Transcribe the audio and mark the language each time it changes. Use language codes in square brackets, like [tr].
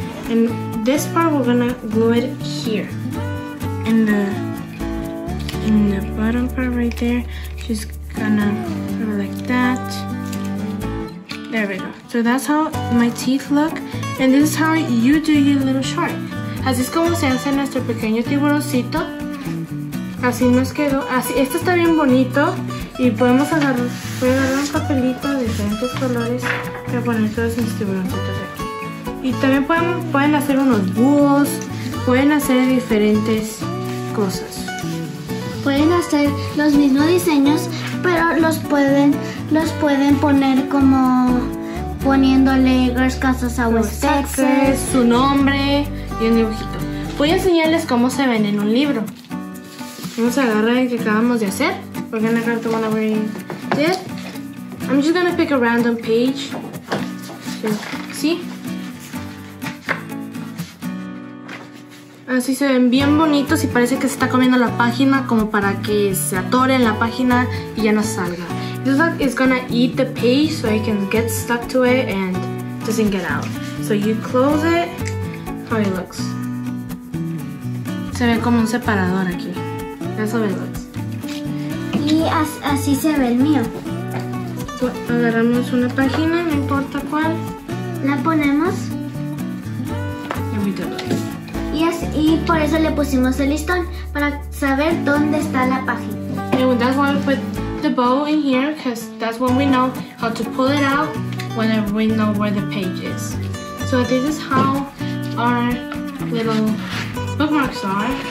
[en] And this part, we're gonna glue it here. In the bottom part right there, just gonna put it like that. There we go. So that's how my teeth look. And this is how you do your little shark. [es] Así es como se hace nuestro pequeño tiburoncito. Así nos quedó. Así, esto está bien bonito. Y podemos agarrar, voy a agarrar un papelito de diferentes colores para poner todos mis tiburoncitos aquí. Y también pueden hacer unos búhos. Pueden hacer diferentes cosas. Pueden hacer los mismos diseños, pero los pueden poner como poniéndole Girls Casas a Westexes, su nombre y un dibujito. Voy a enseñarles cómo se ven en un libro. Vamos a agarrar el que acabamos de hacer. [en] We're gonna grab the one that we did. I'm just gonna pick a random page. ¿Sí? [es] Así se ven bien bonitos y parece que se está comiendo la página como para que se atore en la página y ya no salga. [en] This one is gonna eat the page so it can get stuck to it and doesn't get out. So you close it, how it looks. [es] Se ve como un separador aquí. [en] That's how it looks. [es] Y así se ve el mío. Agarramos una página, no importa cuál. La ponemos. [en] And we do it. [es] Yes, y por eso le pusimos el listón, para saber dónde está la página. [en] And that's why we put the bow in here, because that's when we know how to pull it out, whenever we know where the page is. So this is how our little bookmarks are.